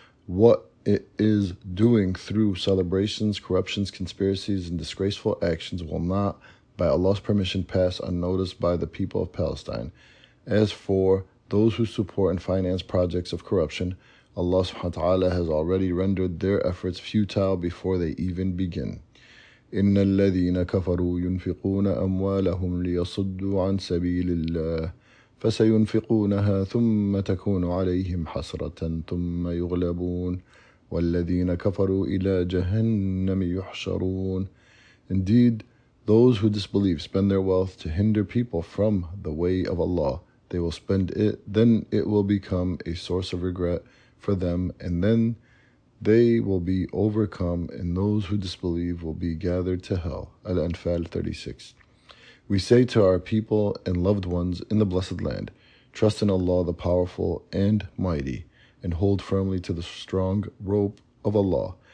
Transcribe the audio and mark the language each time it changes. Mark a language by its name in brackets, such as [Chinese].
[English] What it is doing through celebrations, corruptions, conspiracies, and disgraceful actions will not, by Allah's permission, pass unnoticed by the people of Palestine. As for those who support and finance projects of corruption, Allah subhanahu wa ta'ala has already rendered their efforts futile before they even begin. [Arabic] إِنَّ الَّذِينَ كَفَرُوا يُنْفِقُونَ أَمْوَالَهُمْ لِيَصُدُّوا عَنْ سَبِيلِ اللَّهِ فَسَيُنْفِقُونَهَا ثُمَّ تَكُونُ عَلَيْهِمْ حَسْرَةً ثُمَّ يُغْلَبُونَ وَالَّذِينَ كَفَرُوا إِلَى جَهَنَّمِ يُحْشَرُونَ [English] Indeed, those who disbelieve spend their wealth to hinder people from the way of Allah. They will spend it, then it will become a source of regret for them, and then they will be overcome, and those who disbelieve will be gathered to hell. Al-Anfal 36. We say to our people and loved ones in the Blessed Land, trust in Allah the Powerful and Mighty, and hold firmly to the strong rope of Allah.